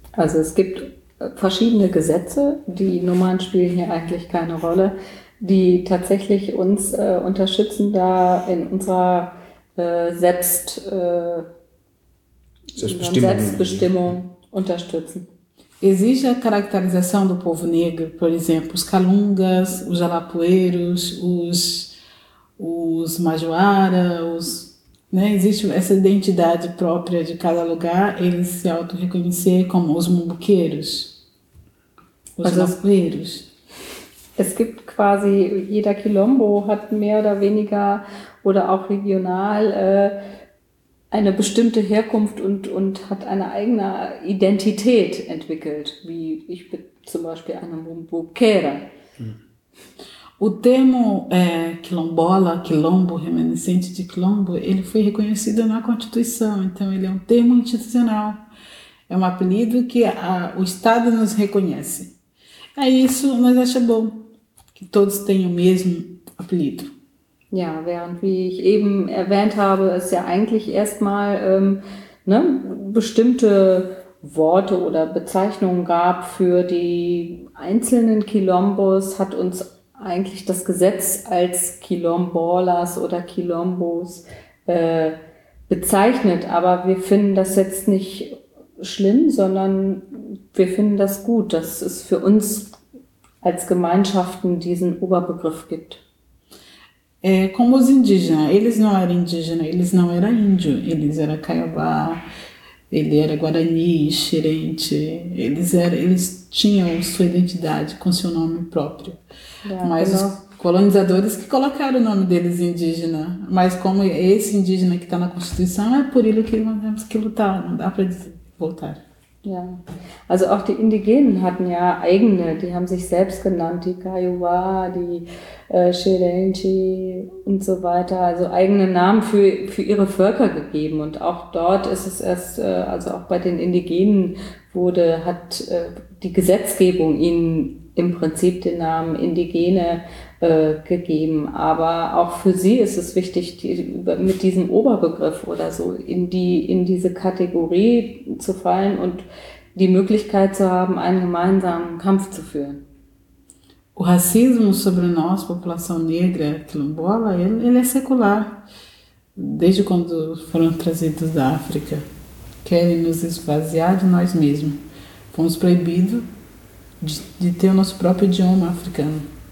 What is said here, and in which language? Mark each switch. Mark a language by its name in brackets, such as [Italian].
[German] Also, es gibt verschiedene Gesetze, die Nummern spielen hier eigentlich keine Rolle, die tatsächlich uns unterstützen, da in unserer Selbstbestimmung unterstützen. [Portuguese] Existe a caracterização do povo negro, por exemplo, os calungas, os jalapueiros, os majuara, os, né? Existe essa identidade própria de cada lugar, eles se auto-reconhecer como os mumbuqueiros, os jalapueiros. [German] Es gibt quasi, jeder Quilombo hat mehr oder weniger oder auch regional eine bestimmte Herkunft und hat eine eigene Identität entwickelt, wie ich bin zum Beispiel eine Mumbuqueira. [Portuguese] O termo quilombola, quilombo, remanescente de quilombo, ele foi reconhecido na Constituição, então ele é um termo institucional, é um apelido que o Estado nos reconhece. É isso, nós achamos bom. Todos tenham o mesmo apelido. [German] Ja, während, wie ich eben erwähnt habe, es ja eigentlich erstmal bestimmte Worte oder Bezeichnungen gab für die einzelnen Quilombos, hat uns eigentlich das Gesetz als Quilombolas oder Quilombos bezeichnet. Aber wir finden das jetzt nicht schlimm, sondern wir finden das gut, dass es für uns als Gemeinschaften diesen Oberbegriff gibt. [Portuguese] Como os indígenas, eles não eram indígenas, eles não eram índio, eles eram caiobá, ele era guarani, xerente, eles tinham sua identidade com seu nome próprio. Mas os colonizadores que colocaram o nome deles indígena, mas como esse indígena que está na Constituição, é por ele que nós temos que lutar, não dá para voltar. [German] Ja, also auch die Indigenen hatten ja eigene, die haben sich selbst genannt, die Kaiowa, die Xerenchi und so weiter, also eigene Namen für ihre Völker gegeben. Und auch dort ist es erst, also auch bei den Indigenen hat die Gesetzgebung ihnen im Prinzip den Namen Indigene gegeben. Aber auch für sie ist es wichtig, mit diesem Oberbegriff oder so in diese Kategorie zu fallen und die Möglichkeit zu haben, einen gemeinsamen Kampf zu führen. [Portuguese] O racismo sobre nós, população negra, quilombola, ele é secular. Desde quando foram trazidos da África, querem nos esvaziar de nós mesmos. Fomos proibidos de ter o nosso próprio idioma africano.